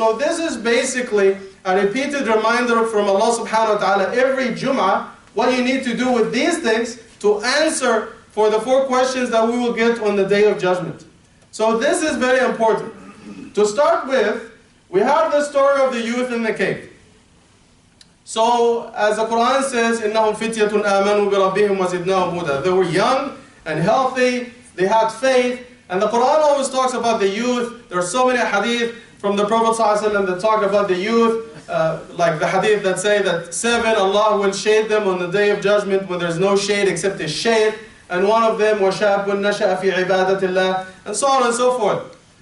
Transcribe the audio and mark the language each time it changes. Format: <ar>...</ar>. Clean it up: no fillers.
<en>So this is basically a repeated reminder from Allah subhanahu wa ta'ala every Jummah, what you need to do with these things to answer for the four questions that we will get on the Day of Judgment. So this is very important. To start with, we have the story of the youth in the cave. So, as the Quran says,</en> <ar>إِنَّهُمْ فِتْيَةٌ آمَنُوا بِرَبِّهِمْ وَزِدْنَاهُمْ هُدًى.</ar> <en>They were young and healthy, they had faith, and the Quran always talks about the youth. There are so many hadith from the Prophet ﷺ that talk about the youth, like the hadith that say that seven, Allah will shade them on the Day of Judgment when there's no shade except the shade, and one of them,</en> <ar>وَشَابٌ نَشَأَ فِي عِبَادَةِ اللَّهِ,</ar> <en>and so on and so forth.</en>